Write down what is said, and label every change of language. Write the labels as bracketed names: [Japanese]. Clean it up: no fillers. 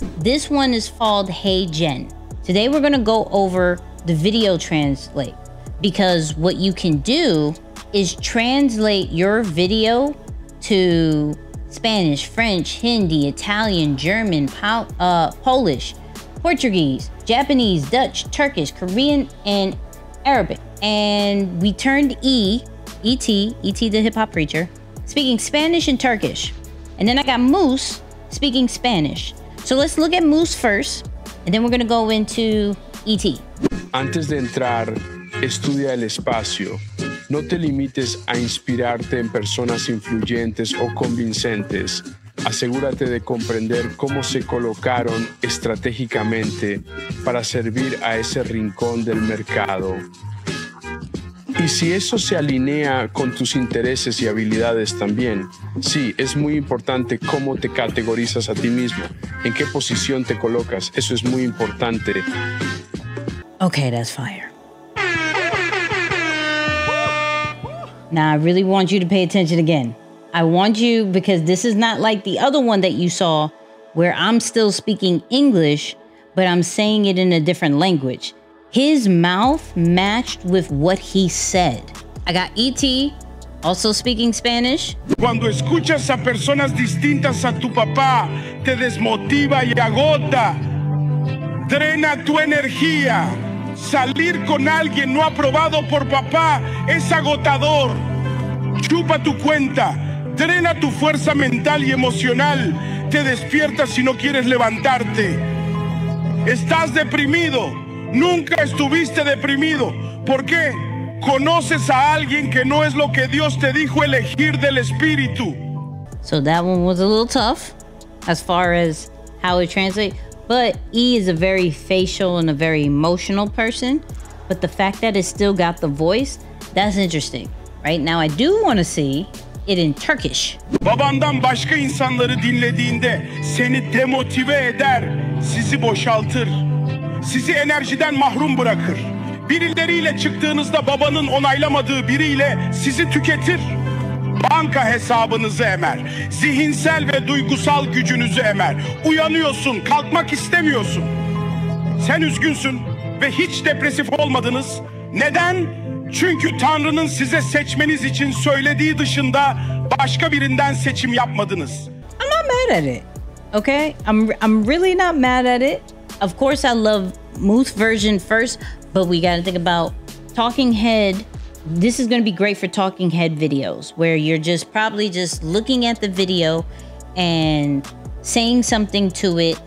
[English] This one is called HeyGen. Today, we're gonna go over the video translate because what you can do is translate your video to Spanish, French, Hindi, Italian, German, Polish, Portuguese, Japanese, Dutch, Turkish, Korean, and Arabic. And we turned E.T., the hip-hop preacher, speaking Spanish and Turkish. And then I got Moose speaking Spanish. So let's look at Moose first, and then we're gonna go into E.T. [Spanish] Antes de entrar, estudia el espacio. No te limites a inspirarte en personas influyentes o convincentes. Asegúrate de comprender cómo se colocaron estratégicamente para servir a ese rincón del mercado. Y si eso se alinea con tus intereses y habilidades también, sí, es muy importante cómo te categorizas a ti mismo, en qué posición te colocas. Eso es muy importante. [English] Okay, that's fire. Now, I really want you to pay attention again. I want you, because this is not like the other one that you saw where I'm still speaking English, but I'm saying it in a different language. His mouth matched with what he said. I got E.T. also speaking Spanish. [Spanish] Cuando escuchas a personas distintas a tu papá, te desmotiva y agota. Drena tu energía. Salir con alguien no aprobado por papá es agotador. Chupa tu cuenta, drena tu fuerza mental y emocional. Te despiertas si no quieres levantarte. Estás deprimido, nunca estuviste deprimido. ¿Por qué? Conoces a alguien que no es lo que Dios te dijo elegir del espíritu. [English] So that one was a little tough as far as how it translates. But E is a very facial and a very emotional person. But the fact that it still got the voice, that's interesting. Right now, I do want to see it in Turkish. [Turkish] Babandan başka insanları dinlediğinde seni demotive eder, sizi boşaltır, sizi enerjiden mahrum bırakır. Birileriyle çıktığınızda babanın onaylamadığı biriyle sizi tüketir. Banka hesabınızı emer, zihinsel ve duygusal gücünüzü emer. Uyanıyorsun, kalkmak istemiyorsun. Sen üzgünsün ve hiç depresif olmadınız. Neden? Çünkü Tanrı'nın size seçmeniz için söylediği dışında başka birinden seçim yapmadınız. [English] I'm not mad at it, okay? I'm really not mad at it. Of course, I love Moose version first, but we gotta think about talking head. This is going to be great for talking head videos where you're just probably just looking at the video and saying something to it.